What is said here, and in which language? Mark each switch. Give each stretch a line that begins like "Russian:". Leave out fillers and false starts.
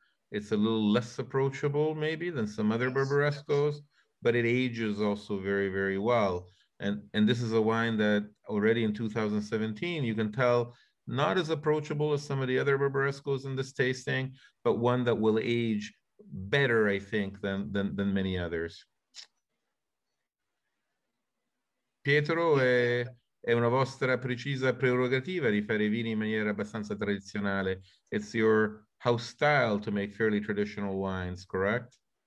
English: It's a little less approachable maybe than some other Barbarescos, but it ages also very, very well. And this is a wine that already in 2017, you can tell, not as approachable as some of the other Barbarescos in this tasting, but one that will age better, I think, than many others.
Italian: Pietro, è una vostra precisa prerogativa di fare vini in maniera abbastanza tradizionale.
English: It's your house style to make fairly traditional wines, correct?